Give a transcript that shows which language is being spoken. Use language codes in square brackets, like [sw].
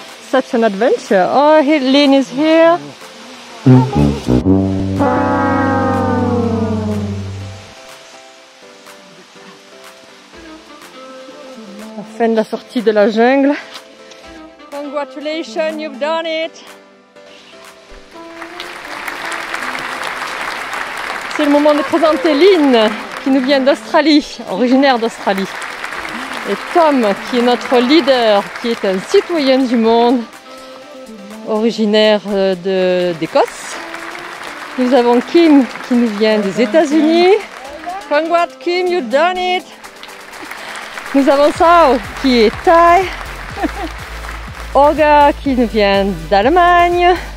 [en] Such an adventure. Oh, Lynn is here. [fr] La fin de la sortie de la jungle. [en] Congratulations, you've done it. [fr] C'est le moment de présenter Lynn, qui nous vient d'Australie, originaire d'Australie. Et Tom, qui est notre leader, qui est un citoyen du monde, originaire d'Écosse. Nous avons Kim, qui nous vient des États-Unis. [en] Congrats, Kim, you've done it. [fr] Nous avons Sao, qui est Thaï. Olga, qui nous vient d'Allemagne.